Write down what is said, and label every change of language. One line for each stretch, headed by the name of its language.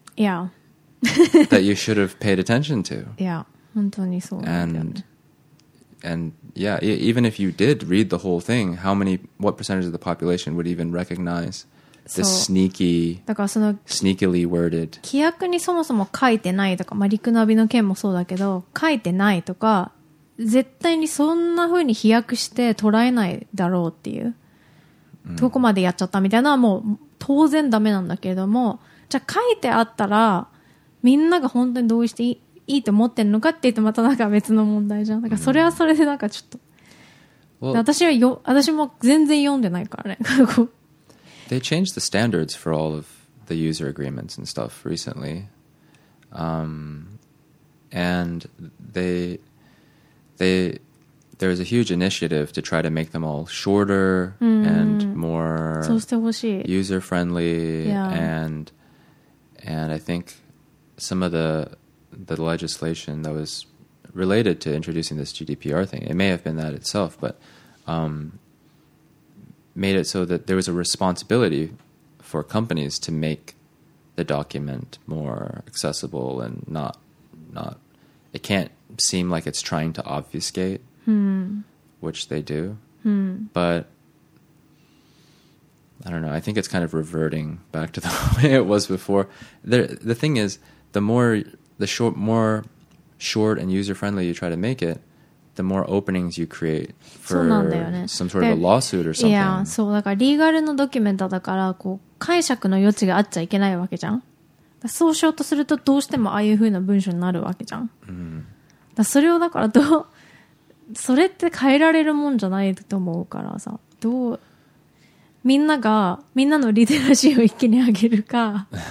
English: Yeah. that you should have paid attention to. Yeah,
Japanese: 本当にそうなんだよね。
English: And yeah, even if you did read the whole thing, what percentage of the population would even recognize the sneaky, sneakily worded?
Japanese: 規約にそもそも書いてないとか、まあ、陸ナビの件もそうだけど、書いてないとか、絶対にそんな風に飛躍して捉えないだろうっていう、どこまでやっちゃったみたいなもう当然ダメなんだけれども、じゃあ書いてあったら、みんなが本当に同意していいと思ってるのかって言うとまたなんか別の問題じゃん。だからそれはそれでなんかちょっと、私も全然読んでないからね。
English: They changed the standards for all of the user agreements and stuff recently. And there's a huge initiative to try to make them all shorter and more user friendly. Yeah. And I think some of the legislation that was related to introducing this GDPR thing, it may have been that itself, but made it so that there was a responsibility for companies to make the document more accessible and not it can't seem like it's trying to obfuscate, which they do. But I don't know. I think it's kind of reverting back to the way it was before. The thing is, more short and user-friendly you try to make it, the more openings you create for some sort of a lawsuit or something. Yeah,
Japanese: そうだからリーガルのドキュメントだからこう解釈の余地があっちゃいけないわけじゃん。そうしようとするとどうしてもああいう風な文章になるわけじゃん。だそれをだからどうそれって変えられるもんじゃないと思うからさ、どうみんながみんなのリテラシーを一気に上げるか。